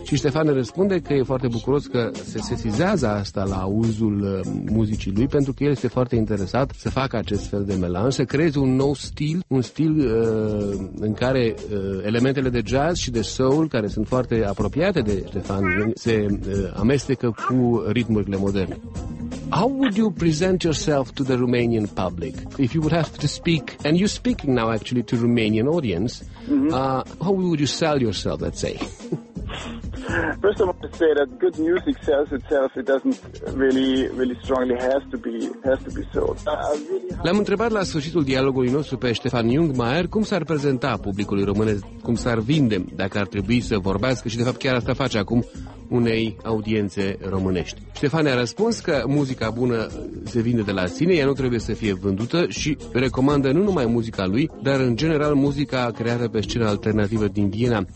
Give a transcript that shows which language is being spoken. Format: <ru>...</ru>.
<ro>Și Ștefan ne răspunde că e foarte bucuros că se sesizează asta la auzul muzicii lui, pentru că el este foarte interesat să facă acest fel de melanj, să creeze un nou stil, un stil în care elementele de jazz și de soul, care sunt foarte apropiate de Ștefan, se amestecă cu ritmurile moderne.</ro> <en>How would you present yourself to the Romanian public if you would have to speak, and you're speaking now actually to Romanian audience, how would you sell yourself, let's say? First, I want to say that good music sells itself. It doesn't really, really strongly has to be sold.</en> <ro>L-am întrebat la sfârșitul dialogului nostru pe Stefan Jungmeier cum s-ar prezenta publicului românesc, cum s-ar vinde, dacă ar trebui să vorbească, și de fapt chiar asta face acum, unei audiențe românești. Ștefan a răspuns că muzica bună se vinde de la sine, ea nu trebuie să fie vândută și recomandă nu numai muzica lui, dar în general muzica creată pe scena alternativă din Viena.</ro>